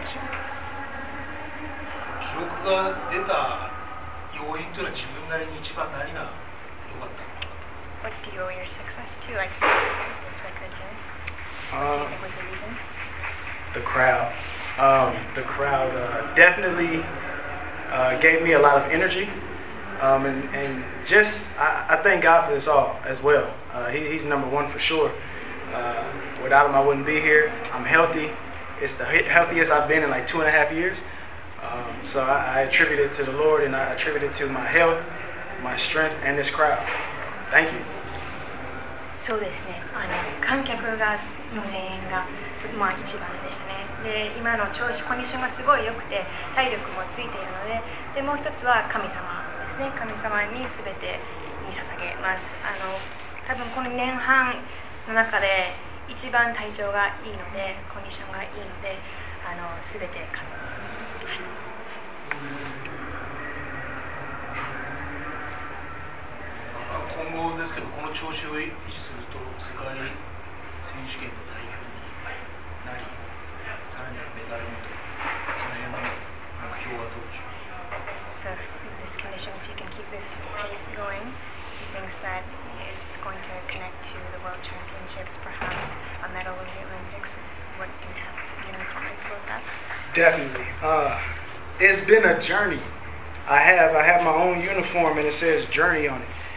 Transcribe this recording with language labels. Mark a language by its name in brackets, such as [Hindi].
[Japanese] それでは質疑応答を行います。質問のある方お願いします。記録が出た要因というのは自分なりに一番何が良かったのか。 [English] What do you owe your success to, like this record here? What was the reason? The crowd. The crowd definitely gave me a lot of energy. And just I thank God for this all as well. He's number one for sure. Without him, I wouldn't be here. I'm healthy. It's the healthiest I've been in like 2.5 years. So I attribute it to the Lord, and I attribute it to my health, my strength, and this crowd. Thank you. [Japanese] そうですね。あの観客がの声援が、まあ、一番でしたね。で今の調子コンディションがすごい良くて体力もついているので、でもう一つは神様ですね。神様に全てに捧げます。あの多分この年半の中で一番体調がいいのでコンディションがいいのであの全て勝った、はい、今後ですけどこの調子を維持すると世界選手権の代表になり、さらにはメダルもとその辺の目標はどうでしょう。 [English] So in this condition, if you can keep this pace going, he thinks thatit's going to connect to the World Championships, perhaps a medal of the Olympics. What can happen? Do you have any comments about that? Definitely. It's been a journey. I have my own uniform and it says journey on it.